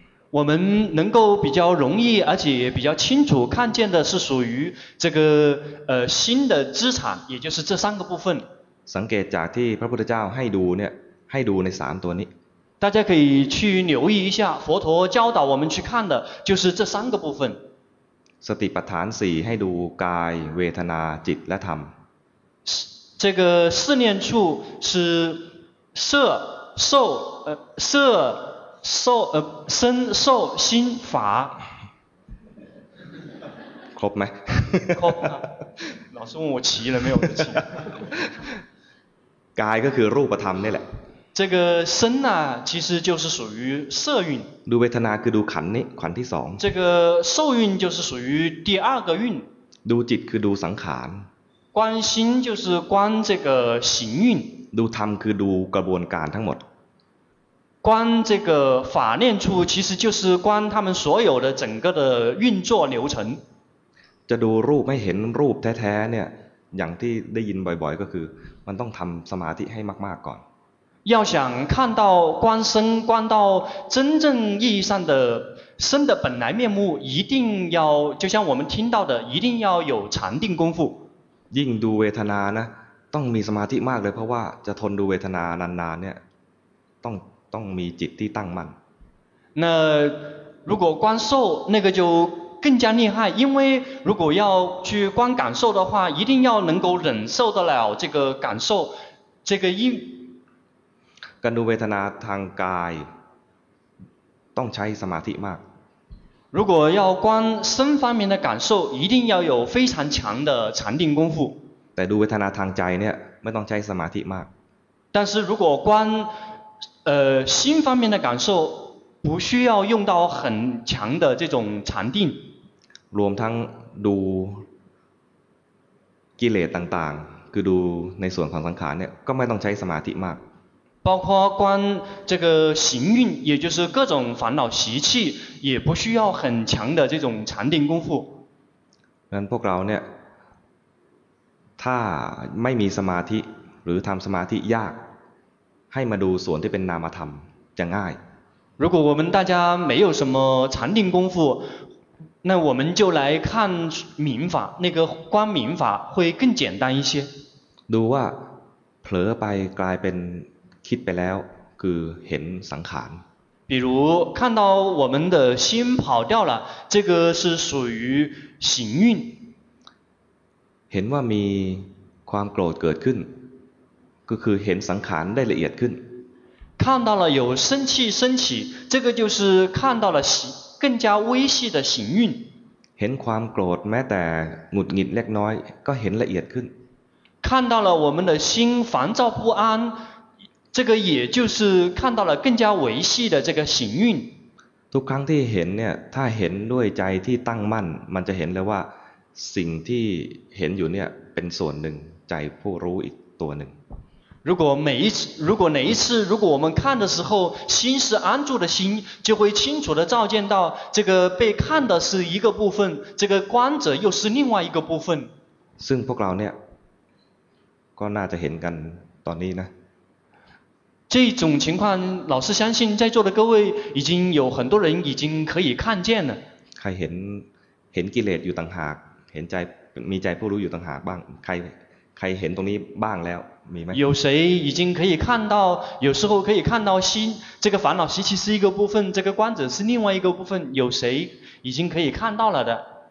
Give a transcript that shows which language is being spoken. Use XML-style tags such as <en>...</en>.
<zh>我们能够比较容易而且比较清楚看见的是属于这个新的资产也就是这三个部分</zh> <th>สังเกตจากที่พระพุทธเจ้าให้ดูเนี่ยให้ดูใน3ตัวนี้</th> <zh>大家可以去留意一下佛陀教导我们去看的就是这三个部分</zh> <th>สติปัฏฐาน4ให้ดูกายเวทนาจิตและธรรม</th> <zh>这个四念处是色受色受身受心法</zh> <th>ครบไหม ครบ</th> <zh>老师问我齐了没有</zh> <th>กายก็คือรูปธรรมนี่แหละ</th> <zh>这个身呢其实就是属于色蕴</zh> <th>ดูเวทนาคือดูขันธ์นี่ขันธ์ที่2</th> <zh>这个受蕴就是属于第二个蕴</zh> <th>ดูจิตคือดูสังขาร</th> <zh>观心就是观这个行蕴</zh> <th>ดูธรรมคือดูกระบวนการทั้งหมด</th> <zh>观这个法念处其实就是观他们所有的整个的运作流程</zh> <th>จะดูรูปไม่เห็นรูปแท้ๆเนี่ยอย่างที่ได้ยินบ่อยๆก็คือมันต้องทำสมาธิให้มากๆก่อน</th> <zh>要想看到观身观到真正意义上的身的本来面目一定要就像我们听到的一定要有禅定功夫</zh> <th>ยิ่งดูเวทนานะต้องมีสมาธิมากเลยเพราะว่าจะทนดูเวทนานานๆเนี่ยต้องมีจิตที่ตั้งมั่น</th> <zh>那如果观受那个就更加厉害因为如果要去观感受的话一定要能够忍受得了这个感受这个因</zh> <th>การดูเวทนาทางกายต้องใช้สมาธิมาก</th> <zh>如果要观身方面的感受一定要有非常强的禅定功夫</zh> <th>แต่ดูเวทนาทางใจเนี่ยไม่ต้องใช้สมาธิมาก</th> <zh>但是如果观心方面的感受不需要用到很强的这种禅定</zh> <th>รวมทั้งดูกิเลสต่างๆคือดูในส่วนของสังขารเนี่ยก็ไม่ต้องใช้สมาธิมาก</th> <zh>包括观这个行运也就是各种烦恼习气也不需要很强的这种禅定功夫</zh> <th>งั้นพวกเราเนี่ยถ้าไม่มีสมาธิหรือทำสมาธิยากให้มาดูส่วนที่เป็นนามธรรมจะง่าย</th> <zh>如果我们大家没有什么禅定功夫那我们就来看明法那个观明法会更简单一些</zh> <th>ดูว่าเผลอไปกลายเป็นคิดไปแล้วคือเห็นสังขาร</th> <zh>比如看到我们的心跑掉了这个是属于行运</zh> <th>เห็นว่ามีความโกรธเกิดขึ้นก็คือเห็นสังขารได้ละเอียดขึ้น</th> <zh>看到了有生气升起这个就是看到了更加微细的行运</zh> <th>เห็นความโกรธแม้แต่หงุดหงิดเล็กน้อยก็เห็นละเอียดขึ้น</th> <zh>看到了我们的心烦躁不安这个也就是看到了更加微细的这个行运</zh> <th>ทุกครั้งที่เห็นเนี่ยถ้าเห็นด้วยใจที่ตั้งมั่นมันจะเห็นเลยว่าสิ่งที่เห็นอยู่เนี่ยเป็นส่วนหนึ่งใจผู้รู้อีกตัวหนึ่ง</th> <zh>如果哪一次如果我们看的时候心是安住的心就会清楚的照见到这个被看的是一个部分这个观者又是另外一个部分</zh> <th>ซึ่งพวกเราเนี่ยก็น่าจะเห็นกันตอนนี้นะ</th> <zh>这这种情况，老师相信在座的各位已经有很多人已经可以看见了。</zh> <th>ใครเห็นกิเลสอยู่ต่างหากเห็นใจมีใจผู้รู้อยู่ต่างหากบ้างใครเห็นตรงนี้บ้างแล้วมีไหม</th> <zh>有谁已经可以看到，有时候可以看到心这个烦恼习气是一个部分，这个观者是另外一个部分，有谁已经可以看到了的？</zh>